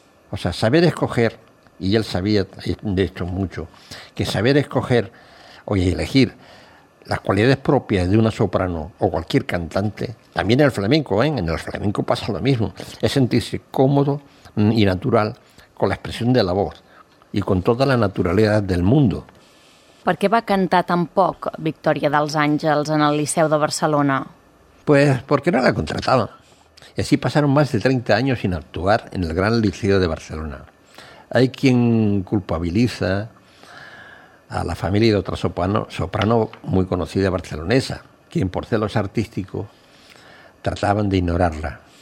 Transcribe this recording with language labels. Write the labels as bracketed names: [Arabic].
[Spanish] O sea, saber escoger, y él sabía de hecho mucho, que saber escoger o elegir las cualidades propias de una soprano o cualquier cantante, también en el flamenco, ¿eh? En el flamenco pasa lo mismo, es sentirse cómodo y natural con la expresión de la voz y con toda la naturalidad del mundo. [Catalan] ¿Per què va cantar tan poc Victoria dels Àngels en el Liceu de Barcelona? [Spanish] Pues porque no la contrataban. Y así pasaron más de 30 años sin actuar en el Gran Liceo de Barcelona. Hay quien culpabiliza a la familia de otra soprano muy conocida barcelonesa, quien por celos artísticos trataban de ignorarla.